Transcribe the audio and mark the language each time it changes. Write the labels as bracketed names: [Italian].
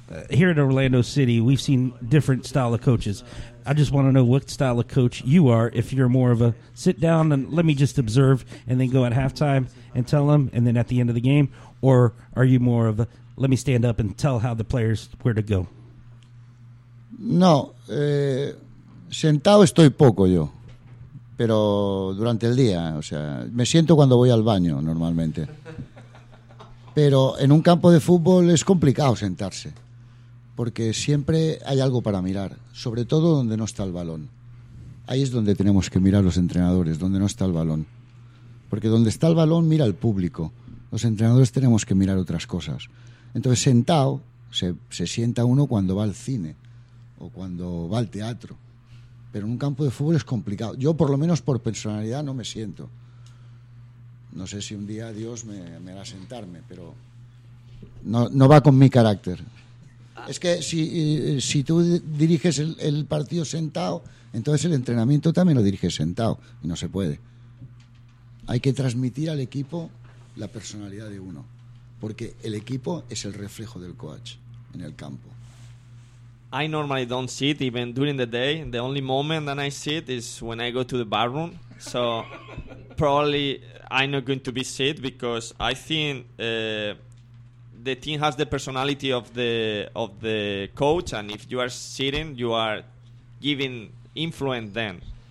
[English] Here in Orlando City, we've seen different style of coaches. I just want to know what style of coach you are, if you're more of a sit down and let me just observe and then go at halftime and tell them and then at the end of the game, or are you more of a let me stand up and tell how the players where to go? [Spanish] No, sentado estoy poco yo, pero durante el día, o sea, me siento cuando voy al baño normalmente. Pero en un campo de fútbol es complicado sentarse. Porque siempre hay algo para mirar, sobre todo donde no está el balón. Ahí es donde tenemos que mirar los entrenadores, donde no está el balón. Porque donde está el balón mira el público. Los entrenadores tenemos que mirar otras cosas. Entonces sentado, se sienta uno cuando va al cine o cuando va al teatro. Pero en un campo de fútbol es complicado. Yo por lo menos por personalidad no me siento. No sé si un día Dios me hará sentarme, pero no va con mi carácter. Es que si tú diriges el partido sentado, entonces el entrenamiento también lo diriges sentado. Y no se puede. Hay que transmitir al equipo la personalidad de uno. Porque el equipo es el reflejo del coach en el campo. [English] I normally don't sit even during the day. The only moment that I sit is when I go to the bathroom. So probably I'm not going to be sit because I think... The team has the personality of the coach, and if you are sitting, you are giving influence then.